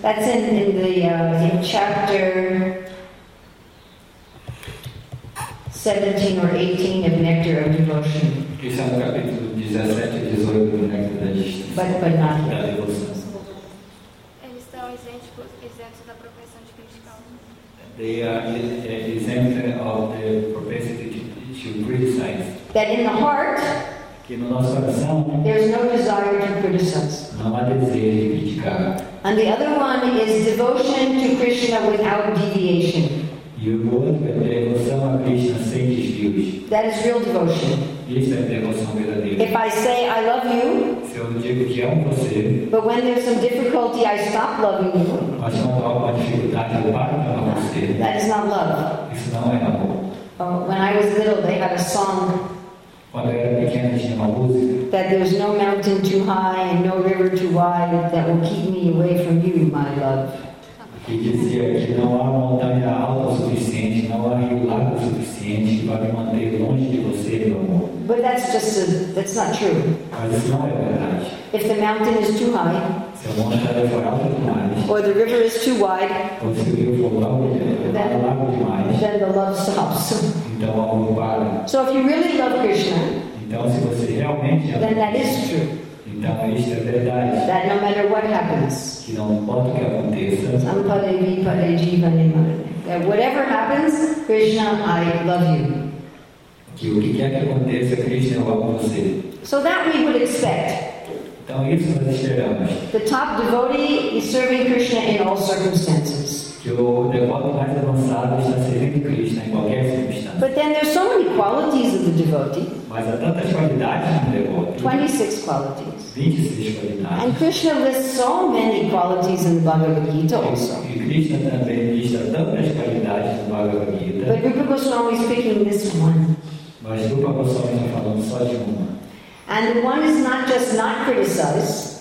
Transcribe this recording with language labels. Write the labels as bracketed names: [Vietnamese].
[English] That's in chapter 17 or 18 of Nectar of Devotion. [Portuguese] Isso é no capítulo 17 e 18 do Nectar da Devoção. Mas eles estão isentos da profissão de criticar. [English] They are exempted of the propensity to criticize. That in the heart, [Portuguese] que no nosso coração, [English] there is no desire to criticize. [Portuguese] Não há desejo de criticar. [English] And the other one is devotion to Krishna without deviation. [Portuguese] E o outro é devoção a Krishna sem desvios. [English] That is real devotion. [Portuguese] Isso é devoção verdadeira. [English] If I say I love you, [Portuguese] se eu digo que amo você, [English] but when there's some difficulty, I stop loving you. [Portuguese] Mas quando há alguma dificuldade, eu paro de amar você. [English] That is not love. [Portuguese] Isso não é amor. [English] Oh, when I was little, they had a song. [Portuguese] Quando eu era pequeno, montanhas de uma música. [English] That there's no mountain too high and no river too wide that will keep me away from you, my love. [Portuguese] E dizia que não há montanha alta o suficiente, não há rio largo o suficiente que vai me manter longe de você, meu amor. [English] But that's just a, that's not true. [Portuguese] Mas isso não é verdade. [English] If the mountain is too high, [Portuguese] se a montanha for alta demais, [English] or the river is too wide, [Portuguese] ou se o rio for largo demais, [English] then the love stops. [Portuguese] Então o amor para. [English] So if you really love Krishna, [Portuguese] então se você realmente ama, [English] then that is true. [Portuguese] Então isso é verdade. [English] That no matter what happens, [Portuguese] que não importa o que aconteça, [English] that whatever happens, Krishna, I love you. [Portuguese] Que o que quer que aconteça, Krishna, eu amo você. [English] So that we would expect. [Portuguese] Então isso nós esperamos. [English] The top devotee is serving Krishna in all circumstances. [Portuguese] Que o devoto mais avançado está servindo Krishna em qualquer circunstância. [English] But then there's so many qualities of the devotee. [Portuguese] Mas há tantas qualidades no devoto. [English] 26 qualities. [Portuguese] 26 qualidades. [English] And Krishna lists so many qualities in the Bhagavad Gita also. [Portuguese] E Krishna também lista tantas qualidades no Bhagavad Gita. [English] But Rupa Goswami is picking this one. [Portuguese] Mas Rupa Goswami está falando só de uma. [English] And the one is not just not criticize.